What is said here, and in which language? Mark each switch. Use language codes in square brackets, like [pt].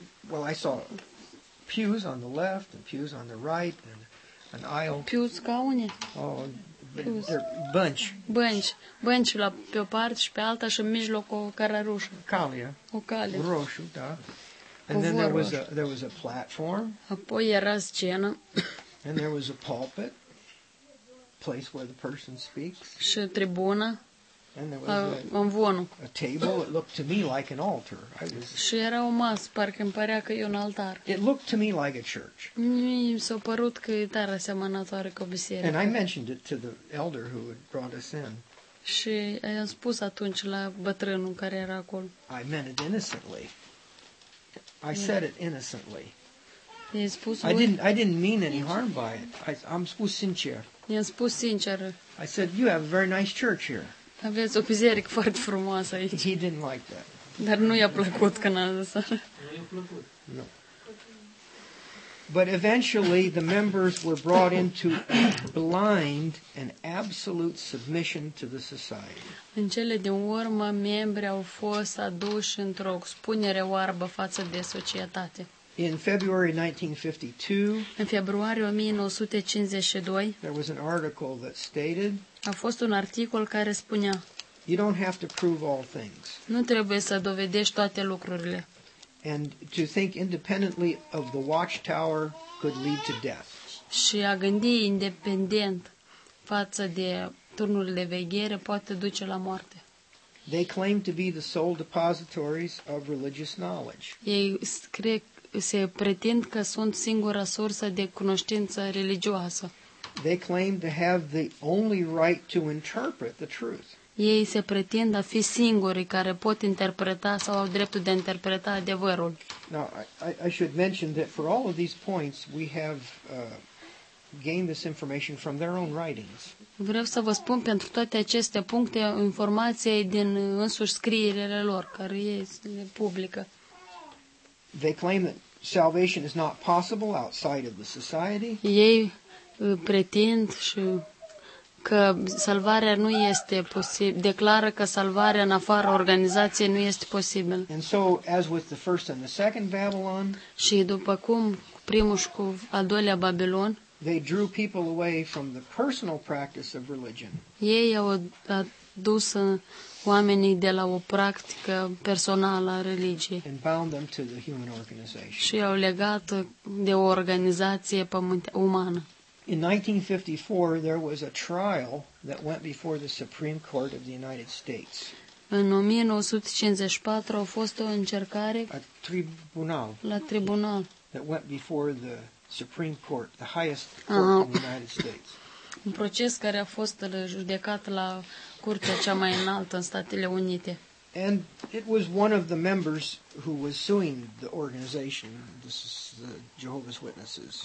[en] well, I saw pews on the left and pews on the right and an aisle. [ro] Pews, scaune. Oh, Bănci. Bănci. Bănci la, pe o parte și pe alta și în mijloc o cărărușă. Calia. O cale. Roșu, da. [en] And then there was a platform. [ro] Apoi era scenă. [en] And there was a pulpit, place where the person speaks. [ro] Și tribuna. [en] And there was a table. It looked to me like an altar. [ro] Și era o masă, parcă îmi părea că e un altar. [en] It looked to me like a church. [ro] Mi s-a părut că e tare asemănătoare cu o biserică. [en] And I mentioned it to the elder who had brought us in. [ro] Și i-am spus atunci la bătrânul care era acolo. [en] I meant it innocently. I said it innocently. I didn't mean any harm by it. [ro] I'm spus sincer. I-am spus sincer. [en] I said, you have a very nice church here. [ro] Aveți o biserică foarte frumoasă aici. [en] He didn't like that. [ro] Dar nu i-a plăcut când a zis. Nu i-a plăcut. [en] No. But eventually the members were brought into blind and absolute submission to the society. [ro] În cele din urmă, membrii au fost aduși într-o expunere oarbă față de societate. [en] In February 1952, [ro] în februarie 1952, [en] there was an article that stated, [ro] a fost un articol care spunea, [en] you don't have to prove all things. [ro] Nu trebuie să dovedești toate lucrurile. [en] And to think independently of the watchtower could lead to death. [ro] Și a gândi independent față de turnul de veghere poate duce la moarte. [en] They claim to be the sole depositories of religious knowledge. [ro] Ei se pretind că sunt singura sursă de cunoștință religioasă. [en] They claim to have the only right to interpret the truth. [ro] Ei se pretind a fi singurii care pot interpreta sau au dreptul de a interpreta adevărul. [en] Now, I should mention that for all of these points, we have gained this information from their own writings. [ro] Vreau să vă spun, pentru toate aceste puncte, informația din însuși scrierile lor, care este publică. [en] They claim that salvation is not possible outside of the society. [ro] Ei pretind și că salvarea nu este posibil, declară că salvarea în afara organizației nu este posibil. [en] And so, as with the first and the second Babylon, [ro] și după cum primul și cu al doilea Babilon, [en] they drew people away from the personal practice of religion. [ro] Ei au adus oamenii de la o practică personală a religiei. [en] And bound them to the human organization. [ro] Și au legat de o organizație umană. [en] In 1954, there was a trial that went before the Supreme Court of the United States. [ro] În 1954 a fost o încercare la tribunal. [en] That went before the Supreme Court, the highest court in the United States. [ro] Un proces care a fost judecat la curtea cea mai înaltă în Statele Unite. [en] And it was one of the members who was suing the organization, this is the Jehovah's Witnesses.